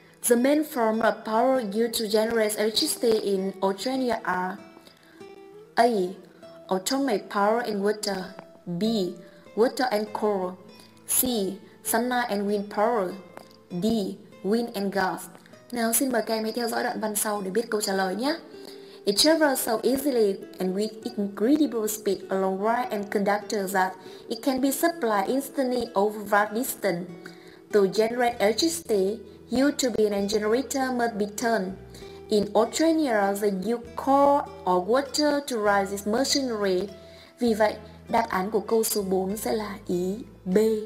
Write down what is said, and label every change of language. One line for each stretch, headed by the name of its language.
English: The main form of power used to generate electricity in Australia are A. Automatic power and water. B. Water and coal. C. Sunlight and wind power. D. Wind and gas.
Vietnamese: Nào, xin mời các em hãy theo dõi đoạn văn sau để biết câu trả lời nhé.
English: It travels so easily and with incredible speed along wire and conductor that it can be supplied instantly over vast distance. To generate electricity, used to be an generator must be turned. In Australia, they use coal or water to run this machinery.
Vietnamese: Vì vậy, đáp án của câu số 4 sẽ là ý B.